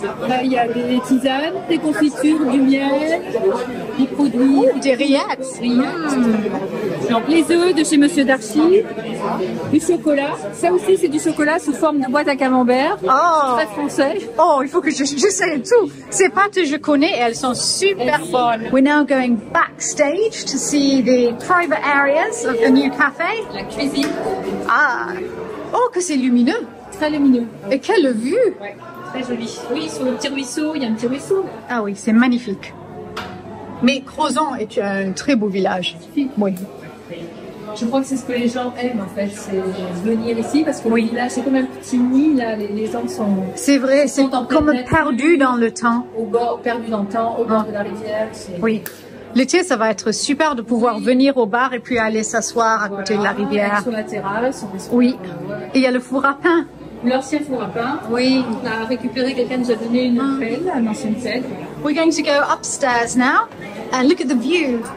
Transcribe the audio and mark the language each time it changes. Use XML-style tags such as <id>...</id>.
<fr>Là, il y a des tisanes, des confitures, du miel, des produits. Oh, des rillettes. Les œufs de chez Monsieur Darcy, du chocolat. Ça aussi, c'est du chocolat sous forme de boîte à camembert. Oh. Très français. Oh, il faut que je sais tout. Ces pâtes, je connais, elles sont super bonnes.</fr> <en>We're now going backstage to see the private areas of the new cafe.</en> <fr>La cuisine. Ah. Oh, que c'est lumineux. Très lumineux. Et quelle vue. Ouais, très joli. Oui, sur le petit ruisseau, il y a un petit ruisseau. Ah oui, c'est magnifique. Mais Crozon est un très beau village. Oui. Je crois que c'est ce que les gens aiment en fait, c'est venir ici parce que là c'est comme un petit nid, là les gens sont. C'est vrai, c'est comme perdu dans le temps. Au bord de la rivière. C'est... Oui. L'été, ça va être super de pouvoir venir au bar et puis aller s'asseoir à côté de la rivière. Sur la terrasse. Et il y a le four à pain. L'ancien four à pain. Oui. On a récupéré, quelqu'un nous a donné une pelle, une ancienne pelle.</fr> <en>We're going to go upstairs now and look at the view.</en>